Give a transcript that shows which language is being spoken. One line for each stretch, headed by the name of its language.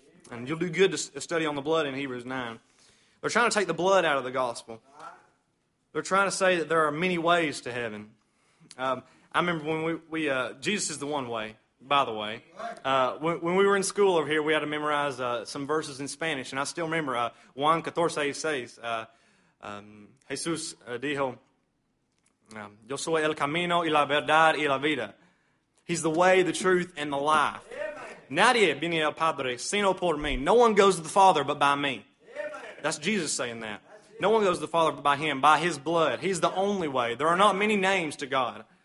English: And you'll do good to study on the blood in Hebrews 9. They're trying to take the blood out of the gospel. They're trying to say that there are many ways to heaven. I remember when we Jesus is the one way, by the way. When we were in school over here, we had to memorize some verses in Spanish. And I still remember
Spanish: Juan 14:6, Jesús dijo, yo soy el camino y la verdad y la vida.
English: He's the way, the truth, and the life.
Spanish: Nadie viene al Padre sino por mí.
English: No one goes to the Father but by me. That's Jesus saying that. No one goes to the Father but by him, by his blood. He's the only way. There are not many names to God.